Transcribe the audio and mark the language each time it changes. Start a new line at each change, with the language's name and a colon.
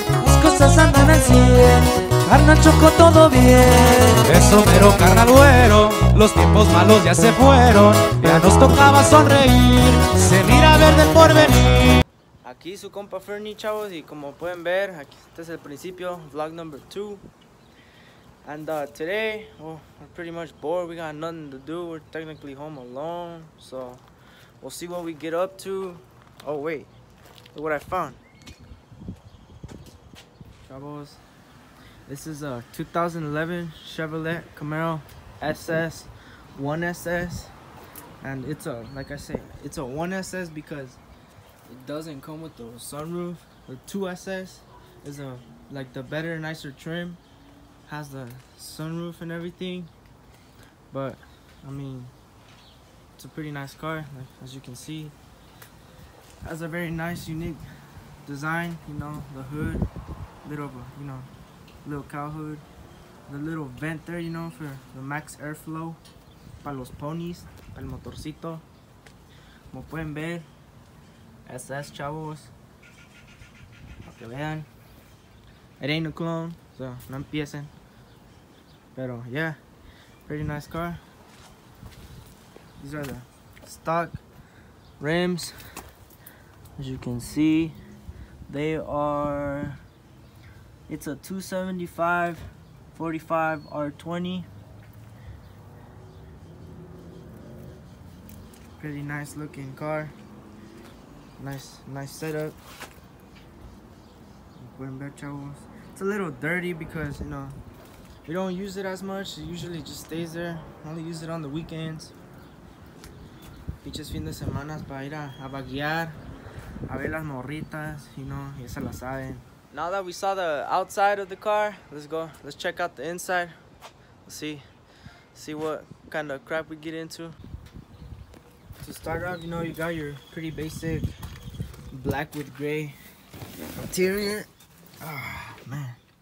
Spanish: Las cosas andan al 100. Carnal chocó todo bien. Eso mero carnal güero. Los tiempos malos ya se fueron. Ya nos tocaba sonreír. Se mira verde el porvenir. Aquí su compa Fernie, chavos, y como pueden ver, aquí este es el principio,
English: vlog number 2. And today, well, we're pretty much bored, we got nothing to do, we're technically home alone, so we'll see what we get up to. Oh wait, look what I found. Chavos, this is a 2011 Chevrolet Camaro SS, 1SS, and it's a, like I say, it's a 1SS because it doesn't come with the sunroof. The 2SS is a like the better, nicer trim. Has the sunroof and everything. But, I mean, it's a pretty nice car, like, as you can see. Has a very nice, unique design, you know, the hood. Little, of a, you know, little cow hood. The little vent there, you know, for the max airflow.
Spanish: Para los ponies, para el motorcito. Como pueden ver. SS chavos, para que vean,
English: it ain't a clone, so
Spanish: no empiecen, pero
English: yeah, pretty nice car. These are the stock rims, as you can see, they are, it's a 275/45 R20, pretty nice looking car. Nice setup.
Spanish: Buen ver, chavos.
English: It's a little dirty because, you know, we don't use it as much. It usually just stays there. Only use it on the weekends.
Spanish: Pinches fin de semana para ir a baguear. A ver las morritas,
English: you know,
Spanish: y se las saben.
English: Now that we saw the outside of the car, let's go. Let's check out the inside. Let's see what kind of crap we get into. To start off, you know, you got your pretty basic black with gray interior. Ah, oh, man.